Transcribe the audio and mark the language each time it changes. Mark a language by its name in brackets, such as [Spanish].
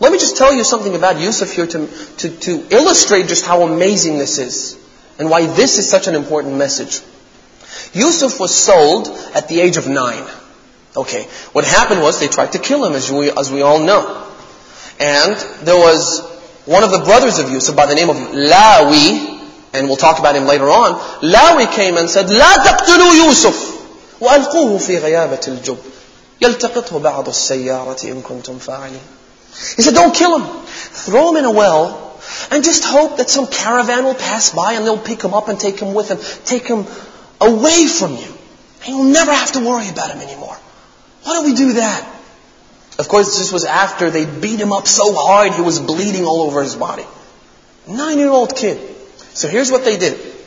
[English] Let me just tell you something about Yusuf here to illustrate just how amazing this is and why this is such an important message. Yusuf was sold at the age of 9. Okay, what happened was they tried to kill him, as we all know. And there was one of the brothers of Yusuf by the name of Lawi, and we'll talk about him later on. Lawi came and said, [Arabic] لا تقتلوا يوسف وألقوه في غيابة الجب يلتقطه بعض السيارة إن كنتم فاعلين. [English] He said, don't kill him. Throw him in a well and just hope that some caravan will pass by and they'll pick him up and take him with them. Take him away from you. And you'll never have to worry about him anymore. Why don't we do that? Of course, this was after they beat him up so hard he was bleeding all over his body. 9-year-old kid. So here's what they did.